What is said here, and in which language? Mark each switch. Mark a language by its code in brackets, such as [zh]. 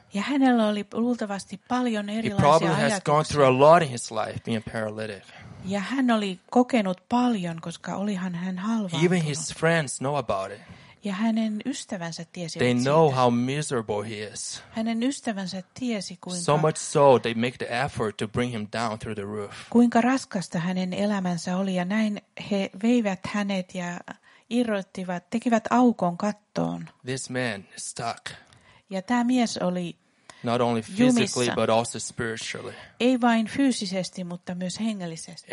[fi] Ja hänellä oli luultavasti paljon erilaisia ajatuksia. [en] He probably has gone through a lot in his life being paralytic. [fi] Ja hän oli kokenut paljon, koska olihan hän halvaantunut. [en] Even his friends know about it. [fi] Ja hänen ystävänsä tiesi. [en] They know how miserable he is. [fi] Hänen ystävänsä tiesi kuinka. [en] So much so they make the effort to bring him down through the roof. [fi] Kuinka raskasta hänen elämänsä oli ja näin he veivät hänet ja irrottivat, tekivät aukon kattoon. [en] This man stuck. [fi] Ja tämä mies oli [en] not only physically but also spiritually. [fi] Ei vain fyysisesti, mutta myös hengellisesti.